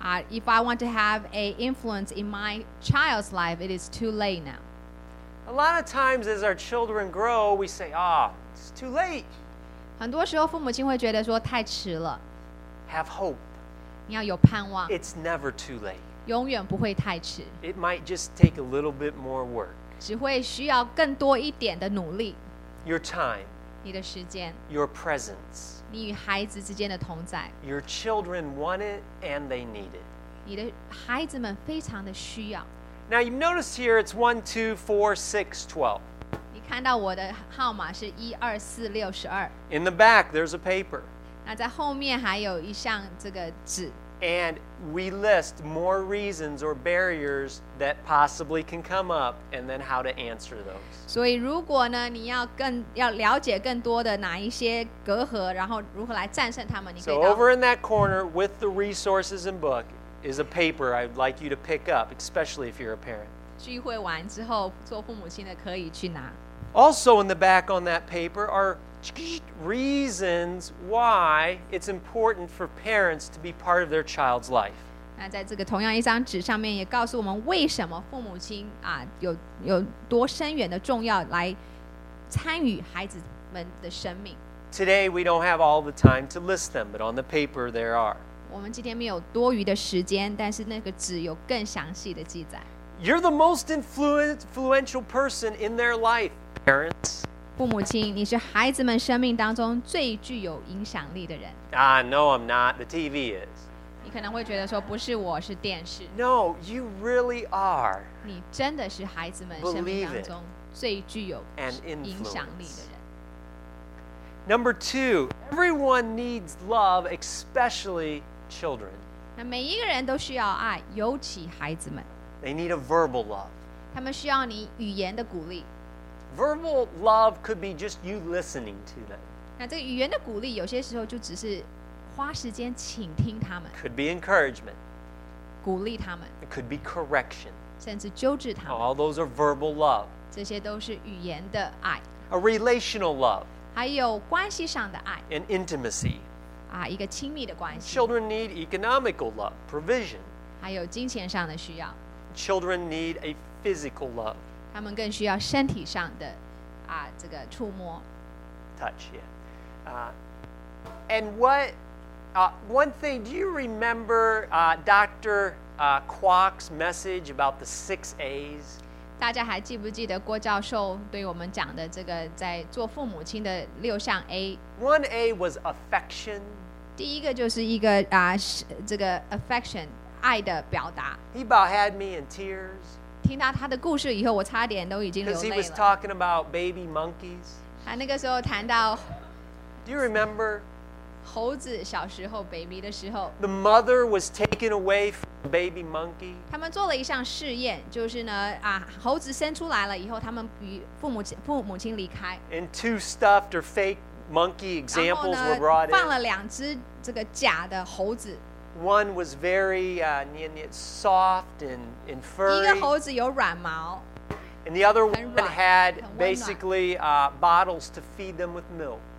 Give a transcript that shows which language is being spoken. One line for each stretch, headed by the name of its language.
English: If I want to have an influence in my child's life, it is too late now. A lot of times as our children grow, we say, it's too late.
Chinese: 很多时候父母亲会觉得说太迟了。
English: Have hope.
Chinese: 你要有盼望。
English: It's never too late.
Chinese: 永远不会太迟。
English: It might just take a little bit more work.
Chinese: 只会需要更多一点的努力。
English: Your time.
Chinese: 你的时间。
English: Your presence.
Chinese: 你与孩子之间的同在。
English: Your children want it and they need it.
Chinese: 你的孩子们非常的需要。
English: Now you notice here it's 1, 2, 4, 6, 12.
Chinese: 看到我的号码是一二四六十二。
English: In the back, there's a paper.
Chinese: 那在后面还有一项这个纸。
English: And we list more reasons or barriers that possibly can come up, and then how to answer those.
Chinese: 所以如果呢，你要了解更多的哪一些隔阂，然后如何来战胜他们，你可以。
English: So over in that corner with the resources and book is a paper I'd like you to pick up, especially if you're a parent.
Chinese: 聚会完之后，做父母亲的可以去拿。
English: Also in the back on that paper are reasons why it's important for parents to be part of their child's life.
Chinese: 那在这个同样一张纸上面也告诉我们为什么父母亲有多深远的重要来参与孩子们的生命。
English: Today we don't have all the time to list them, but on the paper there are.
Chinese: 我们今天没有多余的时间，但是那个纸有更详细的记载。
English: You're the most influential person in their life. parents.
Chinese: 父母亲，你是孩子们生命当中最具有影响力的人。
English: Ah, no, I'm not. The TV is.
Chinese: 你可能会觉得说，不是我，是电视。
English: No, you really are.
Chinese: 你真的是孩子们生命当中最具有影响力的人。
English: Number two, everyone needs love, especially children.
Chinese: 那每一个人都需要爱，尤其孩子们。
English: They need a verbal love.
Chinese: 他们需要你语言的鼓励。
English: Verbal love could be just you listening to them.
Chinese: 那这个语言的鼓励有些时候就只是花时间倾听他们。
English: Could be encouragement.
Chinese: 鼓励他们。
English: It could be correction.
Chinese: 甚至纠正他们。
English: All those are verbal love.
Chinese: 这些都是语言的爱。
English: A relational love.
Chinese: 还有关系上的爱。
English: An intimacy.
Chinese: 啊，一个亲密的关系。
English: Children need economical love, provision.
Chinese: 还有金钱上的需要。
English: Children need a physical love.
Chinese: 他们更需要身体上的啊，这个触摸。
English: Touch, yeah. And what, one thing, do you remember Dr. Kwok's message about the six A's?
Chinese: 大家还记不记得郭教授对我们讲的这个在做父母亲的六项 A?
English: One A was affection.
Chinese: 第一个就是一个啊，这个 affection. 爱的表达。
English: He about had me in tears.
Chinese: 听到他的故事以后，我差点都已经流泪了。
English: Because he was talking about baby monkeys.
Chinese: 他那个时候谈到。
English: Do you remember?
Chinese: 猴子小时候 baby 的时候。
English: The mother was taken away from the baby monkey.
Chinese: 他们做了一项试验，就是呢啊，猴子生出来了以后，他们与父母亲离开。
English: And two stuffed or fake monkey examples were brought in.
Chinese: 放了两只这个假的猴子。
English: One was very soft and furry.
Chinese: 一个猴子有软毛。
English: And the other one had basically bottles to feed them with milk.